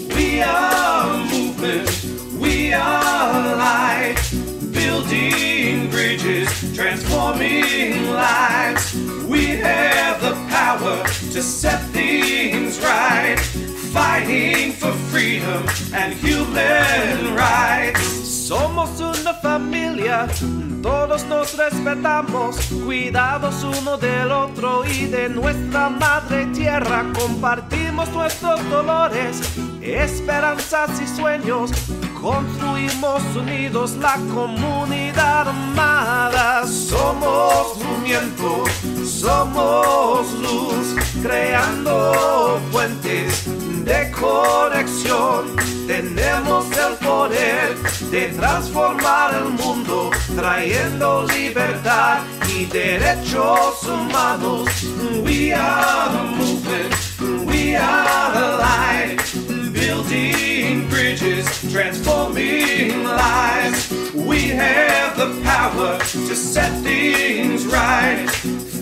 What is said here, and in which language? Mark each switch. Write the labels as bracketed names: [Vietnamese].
[English] We are movement, we are light, building bridges, transforming lives. We have the power to set things right, fighting for freedom and human rights. [Spanish] Somos una familia, todos nos respetamos, cuidados uno del otro y de nuestra madre tierra. Compartimos nuestros dolores, esperanzas y sueños, construimos unidos la comunidad amada. Somos movimiento, somos luz, creando puentes de conexión. Tenemos el poder de transformar el mundo, trayendo libertad y derechos humanos. [English] We are the movement, we are the light, building bridges, transforming lives. We have the power to set things right,